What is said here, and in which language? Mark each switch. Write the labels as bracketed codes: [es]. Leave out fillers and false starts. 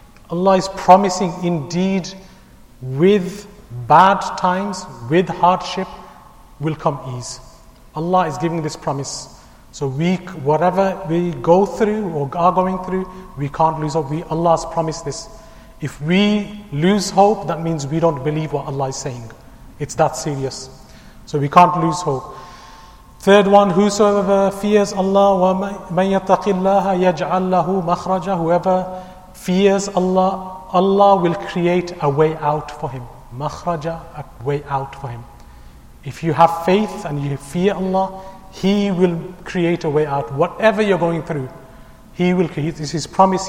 [en] Allah is promising indeed with bad times, with hardship will come ease. Allah is giving this promise. So whatever we go through or are going through, we can't lose hope. Allah has promised this. If we lose hope, that means we don't believe what Allah is saying. It's that serious. So we can't lose hope. Third one, whosoever fears Allah, [ar] وَمَنْ يَتَّقِ اللَّهَ يَجْعَلْ لَهُ مَخْرَجًا. [en] Whoever fears Allah, Allah will create a way out for him. مَخْرَجًا, a way out for him. If you have faith and you fear Allah, He will create a way out. Whatever you're going through, He will create. This is His promise.